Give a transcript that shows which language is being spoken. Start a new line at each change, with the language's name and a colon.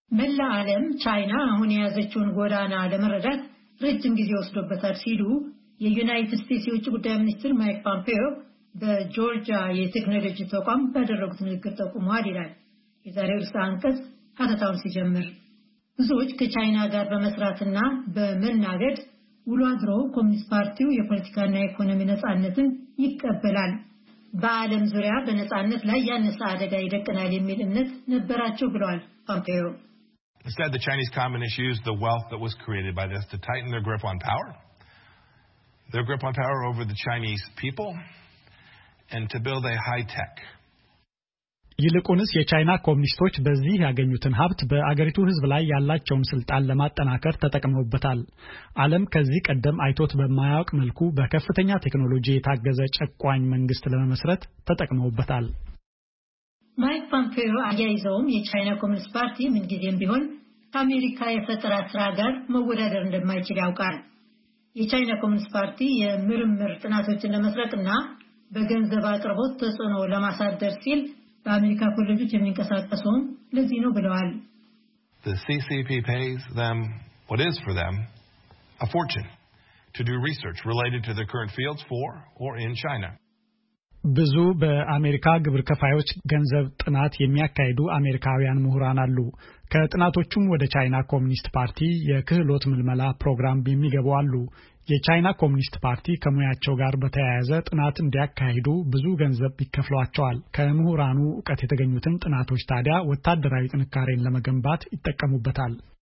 Amharic: መላ ዓለም ቻይና አሁን ያዘችውን ጎዳና ለመረዳት ረጅም ጊዜ ወስዶበታል ሲሉ የዩናይትድ ስቴትስ የውጭ ጉዳይ ሚኒስትር ማይክ ፖምፒዮ በጆርጂያ የቴክኖሎጂ ተቋም ባደረጉት ንግግር ጠቁመዋል ይላል የዛሬው ርዕሰ አንቀጽ። ከተታውን ሲጀምር ብዙዎች ከቻይና ጋር በመስራትና በመናገድ ውሎ አድሮ ኮሚኒስት ፓርቲው የፖለቲካና የኢኮኖሚ ነጻነትን ይቀበላል፣ በዓለም ዙሪያ በነጻነት ላይ ያነሳ አደጋ ይደቅናል የሚል እምነት ነበራቸው ብለዋል ፖምፒዮ።
English: Instead, the Chinese Communists used the wealth that was created by this to tighten their grip on power, their grip on power over the Chinese people, and to build a high-tech.
Amharic: ይልቁንስ የቻይና ኮሙኒስቶች በዚህ ያገኙትን ሀብት በአገሪቱ ህዝብ ላይ ያላቸውን ስልጣን ለማጠናከር ተጠቅመውበታል። ዓለም ከዚህ ቀደም አይቶት በማያውቅ መልኩ በከፍተኛ ቴክኖሎጂ የታገዘ ጨቋኝ መንግስት ለመመስረት ተጠቅመውበታል። ማይክ ፖምፒዮ አያይዘውም የቻይና ኮሙኒስት ፓርቲ ምንጊዜም ቢሆን ከአሜሪካ የፈጠራ ስራ ጋር መወዳደር እንደማይችል ያውቃል። የቻይና ኮሙኒስት ፓርቲ የምርምር ጥናቶችን ለመስረቅና በገንዘብ አቅርቦት ተጽዕኖ ለማሳደር ሲል በአሜሪካ ኮሌጆች የሚንቀሳቀሱም ለዚህ ነው ብለዋል።
English: The CCP pays them what is for them a fortune to do research related to their current fields for or in China.
Amharic: ብዙ በአሜሪካ ግብር ከፋዮች ገንዘብ ጥናት የሚያካሂዱ አሜሪካውያን ምሁራን አሉ። ከጥናቶቹም ወደ ቻይና ኮሙኒስት ፓርቲ የክህሎት ምልመላ ፕሮግራም በሚገቡ አሉ። የቻይና ኮሙኒስት ፓርቲ ከመያቸው ጋር በተያያዘ ጥናት እንዲያካሂዱ ብዙ ገንዘብ ይከፍሏቸዋል። ከመሁራኑ ዕቀት የተገኙትን ጥናቶች ታዲያ ወታደራዊ ጥንካሬን ለመገንባት ይጠቀሙበታል።